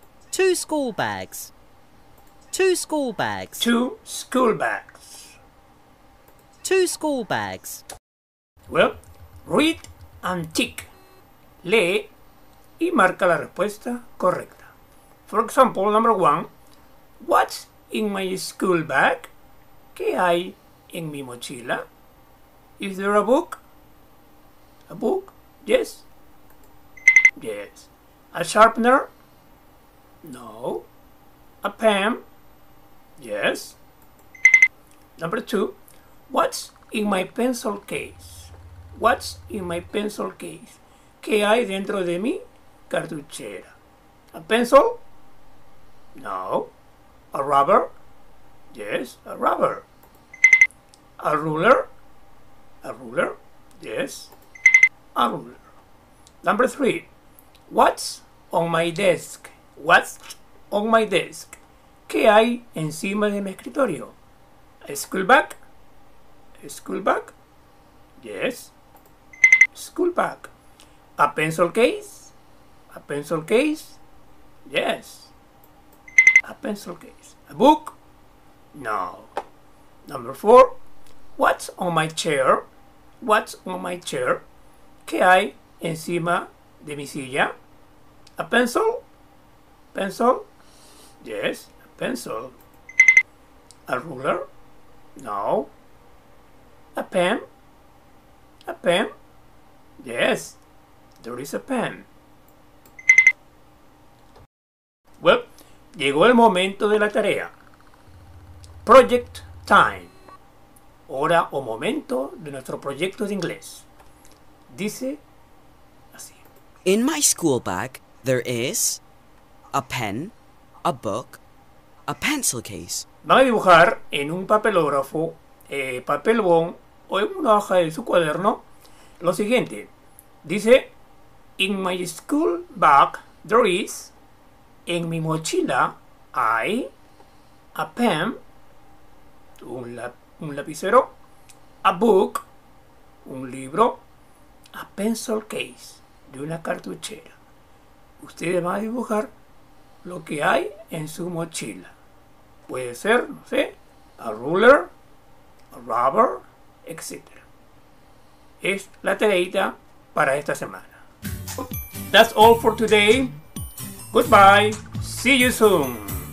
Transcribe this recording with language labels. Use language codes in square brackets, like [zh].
[en] Two school bags. Two school bags. Two school bags. Two school bags. Well, read and tick. [es] Lee y marca la respuesta correcta. [en] For example, number one, what's in my school bag? [es] ¿Qué hay en mi mochila? [en] Is there a book? A book? Yes. Yes. A sharpener? No. A pen? Yes. Number two, what's in my pencil case? What's in my pencil case? [es] ¿Qué hay dentro de mi cartuchera? [en] A pencil? No. A rubber? Yes, a rubber. A ruler? A ruler? Yes, a ruler. Number three, what's on my desk? What's on my desk? [es] ¿Qué hay encima de mi escritorio? [en] A school bag? A school bag? Yes. School bag. A pencil case? A pencil case? Yes. A pencil case. A book? No. Number four. What's on my chair? What's on my chair? [es] ¿Qué hay encima de mi silla? [en] A pencil? Pencil? Yes. Pencil. A ruler? No. A pen? A pen? Yes, there is a pen. [es] Well, llegó el momento de la tarea. [en] Project time. [es] Hora o momento de nuestro proyecto de inglés. Dice así. [en] In my school bag, there is a pen, a book, a pencil case. [es] Van a dibujar en un papelógrafo, papelbón o en una hoja de su cuaderno lo siguiente. Dice, [en] in my school bag there is, [es] en mi mochila hay, [en] a pen, [es] un lapicero, [en] a book, [es] un libro, [en] a pencil case, [es] de una cartuchera. Ustedes van a dibujar lo que hay en su mochila. Puede ser, no sé, a ruler, a rubber, etc. Es la tareita para esta semana. [en] That's all for today. Goodbye. See you soon.